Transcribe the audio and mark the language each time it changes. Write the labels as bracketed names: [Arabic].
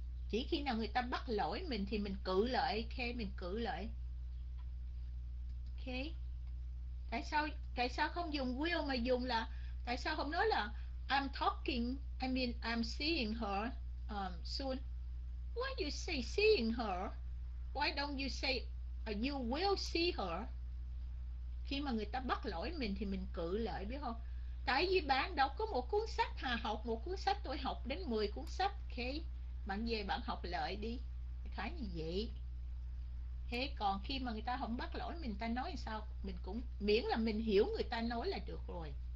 [Vietnamese] Chỉ khi nào người ta bắt lỗi mình thì mình cự lại. Ok, mình cự lại. Ok. Tại sao không dùng will mà dùng là, tại sao không nói là [English] I'm talking, I mean I'm seeing her soon. Why you say seeing her? Why don't you say you will see her? [Vietnamese] Khi mà người ta bắt lỗi mình thì mình cự lại, biết không? Tại vì bạn đọc có một cuốn sách, Hà học một cuốn sách, tôi học đến 10 cuốn sách. Ok, bạn về bạn học lại đi. Khá như vậy. Thế còn khi mà người ta không bắt lỗi mình, ta nói sao? Mình cũng miễn là mình hiểu người ta nói là được rồi.